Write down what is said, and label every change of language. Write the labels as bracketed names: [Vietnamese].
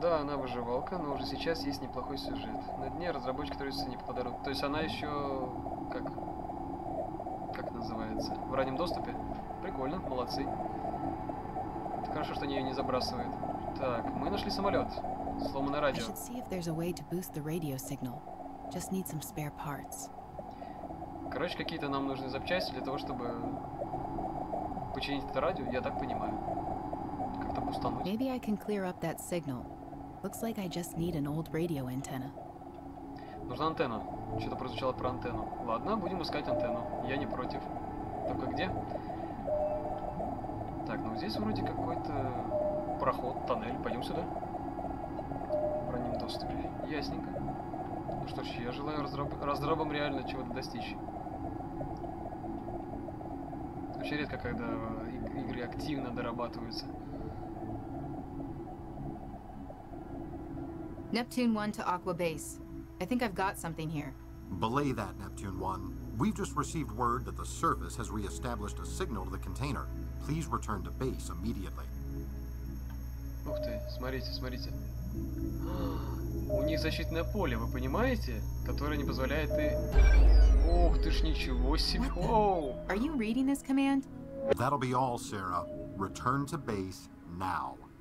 [Russian] Да, она выживалка, но уже сейчас есть неплохой сюжет. На дне разработчики трудятся не подарок. То есть она еще... Как? Как называется? В раннем доступе? Прикольно, молодцы. Это хорошо, что они ее не забрасывают. Так, мы нашли самолет. Сломанное радио. [English] I should see if there's a way to boost the radio signal. Just need some spare parts. [Russian] Короче, какие-то нам нужны запчасти для того, чтобы починить это радио, я так понимаю. Как-то пустануть. [English] Maybe I can clear up that signal. Looks like I just need an old radio antenna. [Russian] Нужна антенна. Что-то прозвучало про антенну. Ладно, будем искать антенну. Я не против. Только где? Так, ну здесь вроде какой-то проход, тоннель. Пойдем сюда. В раннем доступе. Ясненько. Ну что ж, я желаю разрабам реально чего-то достичь. Вообще редко, когда игры активно дорабатываются. [English] Neptune 1 to Aqua Base. I think I've got something here. Belay that, Neptune One. We've just received word that the surface has re-established a signal to the container. Please return to base immediately. [Russian] Ух ты, смотрите, смотрите. У них защитное поле, вы понимаете? Которое не позволяет и... Ох, ты ж ничего себе! [English] Are you reading this command? That'll be all, Sarah. Return to base now.